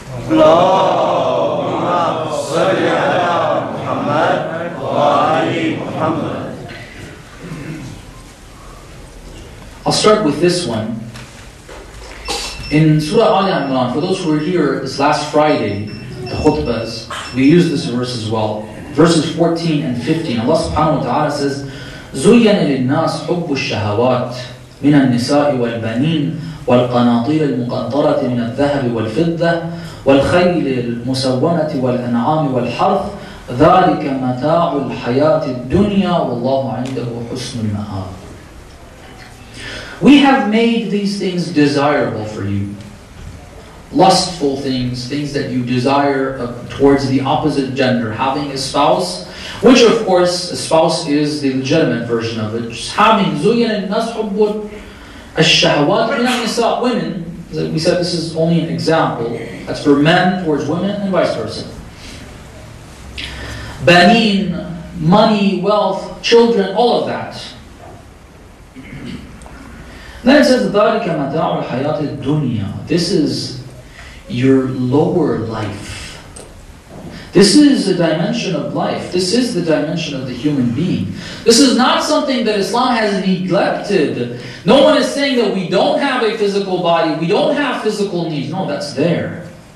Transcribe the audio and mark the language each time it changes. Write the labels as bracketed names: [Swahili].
[Arabic] Allahumma salli ala Muhammad wa ali Muhammad. [English] I'll start with this one. In Surah Ali Imran, for those who were here this last Friday, the khutbahs, we use this verse as well. Verses 14 and 15, Allah subhanahu wa ta'ala says, [Arabic] زُيَّنَ لِلنَّاسِ حُبُّ الشَّهَوَاتِ مِنَ النِّسَاءِ وَالْبَنِينَ وَالْقَنَاطِيرِ الْمُقَنْطَرَةِ مِنَ الذَّهَبِ وَالْفِضَّةِ وَالْخَيْلِ الْمُسَوَّمَةِ وَالْأَنْعَامِ وَالْحَرْثِ ذَلِكَ مَتَاعُ الْحَيَاةِ الدُّنْيَا وَاللَّهُ عِنْدَهُ حُسْنُ الْمَآبِ. [English] We have made these things desirable for you. Lustful things, things that you desire towards the opposite gender. Having a spouse, which of course, a spouse is the legitimate version of it. Just having [Arabic] زُيَّنَ لِلنَّاسِ حُبُّ الشَّهَوَاتِ مِنَ النِّسَاءِ. [English] Women, we said this is only an example. That's for men towards women and vice versa. [Arabic] بَنِين, [English] money, wealth, children, all of that. Then it says, [Arabic] ذَلِكَ مَتَاعُ الْحَيَاةِ الدُّنْيَا. [English] This is your lower life. This is the dimension of life. This is the dimension of the human being. This is not something that Islam has neglected. No one is saying that we don't have a physical body, we don't have physical needs. No, that's there.